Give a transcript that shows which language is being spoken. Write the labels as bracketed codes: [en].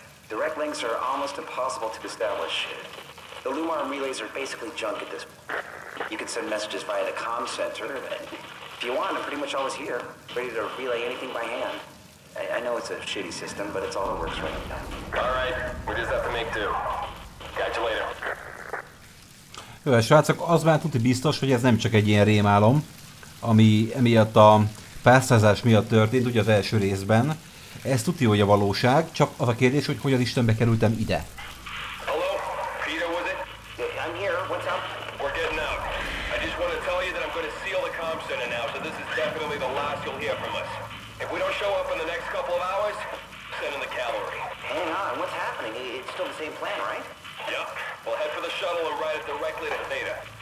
[en] Direct links are almost impossible to establish. The Lumar relays are basically junk at this point. You can send messages via the comm center, and if you want, I'm pretty much always here, ready to relay anything by hand. I know it's a shitty system, but it's all that works right now. Alright, we just have to make do. Catch you later. [hu] Jó, srácok, az már tudni biztos, hogy ez nem csak egy ilyen rémálom, ami emiatt a pásztázás miatt történt, ugye az első részben. Ez tudni, hogy a valóság, csak az a kérdés, hogy hogyan Istenbe kerültem ide. [en] Hello? Peter, was it? I'm here, what's up? We're getting out. I just want to tell you that I'm going to seal the comm center now, so this is definitely the last you'll hear from us. If we don't show up in the next couple of hours, send in the cavalry. Hang on, what's happening? It's still the same plan, right? Yep. We'll head for the shuttle and ride it directly to Theta.